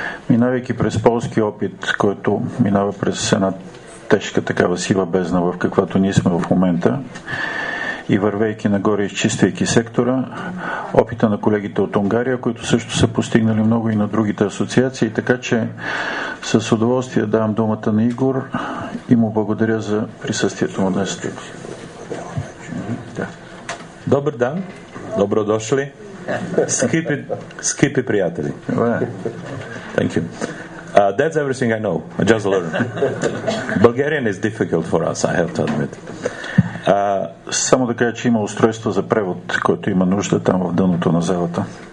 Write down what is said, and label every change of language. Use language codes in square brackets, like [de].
[bg] Минавайки през полски опит, който минава през една тежка такава сива бездна, в каквато ние сме в момента, и вървейки нагоре, изчиствайки сектора, опита на колегите от Унгария, които също са постигнали много, и на другите асоциации, така че с удоволствие давам думата на Игор и му благодаря за присъствието му днес. Добър ден, добро дошли, скъпи, скъпи приятели. [en] Thank you. That's everything I know. I just learned. Bulgarian is difficult for us, I have to admit. [bg] Само да кажа, че има устройство за превод, което има нужда там в дъното на залата.